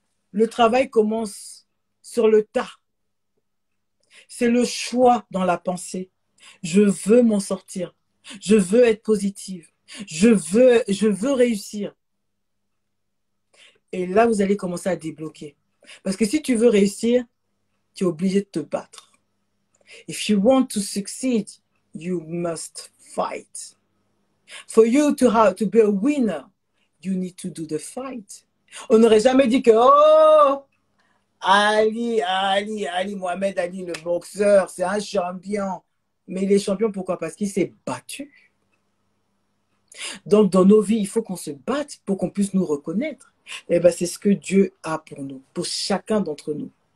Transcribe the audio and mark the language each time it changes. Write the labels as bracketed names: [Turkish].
[French] Le travail commence sur le tas. C'est le choix dans la pensée. Je veux m'en sortir. Je veux être positive. Je veux réussir. Et là, vous allez commencer à débloquer. Parce que si tu veux réussir, tu es obligé de te battre. [English] If you want to succeed, you must fight. For you to have to be a winner, you need to do the fight. [French] On n'aurait jamais dit que, oh, Ali, Ali, Ali, Mohamed Ali, le boxeur, c'est un champion. Mais il est champion, pourquoi? Parce qu'il s'est battu. Donc, dans nos vies, il faut qu'on se batte pour qu'on puisse nous reconnaître. Eh bien, c'est ce que Dieu a pour nous, pour chacun d'entre nous.